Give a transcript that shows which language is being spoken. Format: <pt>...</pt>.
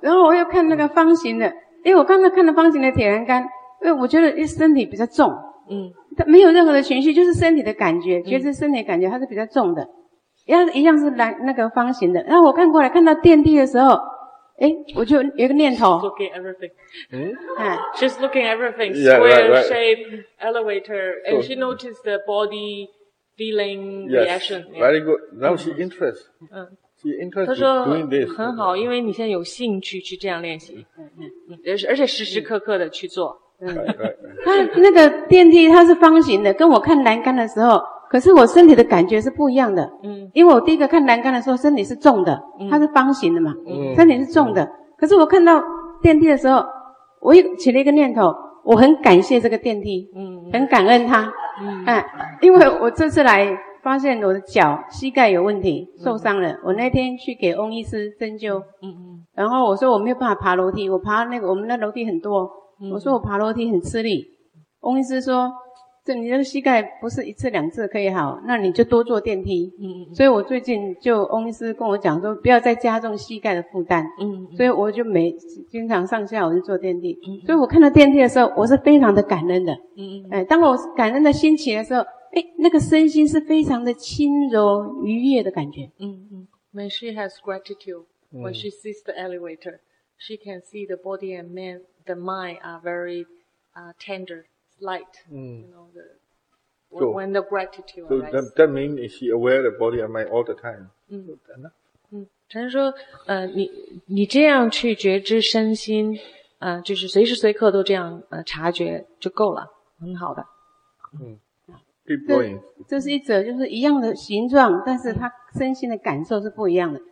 <zh>然后我又看那个方形的，我刚才看了方形的铁栏杆，我觉得身体比较重，他没有任何的情绪，就是身体的感觉，觉知身体的感觉，它是比较重的，一样是蓝那个方形的。然后我看过来看到电梯的时候，我就有一个念头。</zh> <en>She's looking everything. She's looking everything. Square, yeah, right. shape, elevator, and she noticed the body feeling reaction. Yes, very good. Now she interest. She interest in doing this.</en> <zh>很好，因为你现在有兴趣去这样练习，而且时时刻刻的去做。它那个电梯它是方形的，跟我看栏杆的时候，可是我身体的感觉是不一样的。因为我第一个看栏杆的时候身体是重的，它是方形的嘛，身体是重的。可是我看到电梯的时候，我又起了一个念头，我很感谢这个电梯，很感恩它。因为我这次来发现我的脚膝盖有问题受伤了、嗯、我那天去给翁医师针灸、嗯嗯、然后我说我没有办法爬楼梯，我爬那个我们那楼梯很多、嗯、我说我爬楼梯很吃力，翁医师说这你的膝盖不是一次两次可以好，那你就多坐电梯、嗯、所以我最近就翁医师跟我讲说不要再加重膝盖的负担、嗯、所以我就每经常上下我就坐电梯、嗯、所以我看到电梯的时候我是非常的感恩的、嗯哎、当我感恩的心情的时候诶那个身心是非常的轻柔愉悦的感觉。嗯嗯。</zh> <en>When she has gratitude, when she sees the elevator, she can see the body and man, the mind are very, tender, light. You know, when the gratitude arises. So that means she aware the body and mind all the time. 嗯。</en> <zh>陈说你这样去觉知身心就是随时随刻都这样察觉就够了，很好的。嗯。这是一则，就是一样的形状，但是他身心的感受是不一样的。</zh>